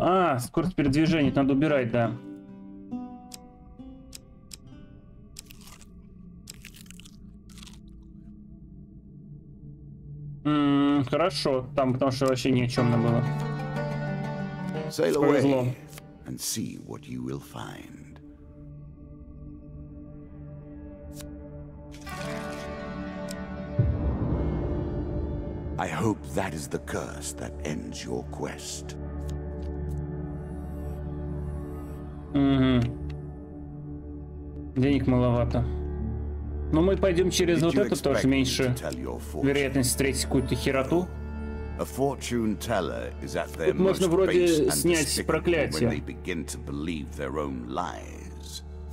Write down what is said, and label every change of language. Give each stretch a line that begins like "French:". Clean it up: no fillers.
Russian: А, скорость передвижения, это надо убирать, да. Хорошо, там, потому что вообще ни о чем не было.
English: Sail away and see what you will find. I hope that is the curse that ends your quest.
Russian: Денег маловато. Но мы пойдем через вот это тоже меньше вероятность встретить какую-то хероту.
English: A fortune teller is at their most
Russian: можно вроде снять проклятие.
English: When they begin to believe their own lies.